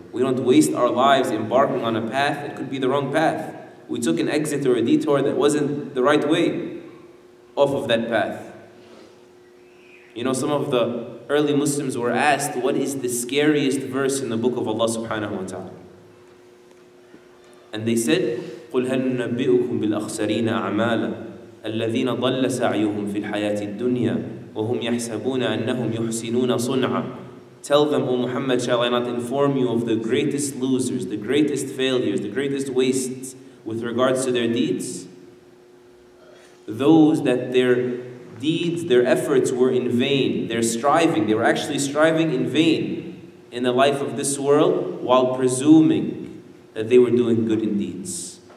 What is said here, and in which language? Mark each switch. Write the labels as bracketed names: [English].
[English] We don't waste our lives embarking on a path that could be the wrong path. We took an exit or a detour that wasn't the right way off of that path. You know, some of the early Muslims were asked, what is the scariest verse in the book of Allah subhanahu wa ta'ala? [Arabic] And they said, قُلْ هَلْ نُنَبِّئُكُمْ بِالْأَخْسَرِينَ أَعْمَالًا الَّذِينَ ضَلَّ سَعْيُهُمْ فِي الْحَيَاةِ الدُّنْيَا وَهُمْ يَحْسَبُونَ أَنَّهُمْ يُحْسِنُونَ صُنْعًا. [English] Tell them, O Muhammad, shall I not inform you of the greatest losers, the greatest failures, the greatest wastes with regards to their deeds? Those that their deeds, their efforts were in vain, their striving, they were actually striving in vain in the life of this world while presuming that they were doing good in deeds.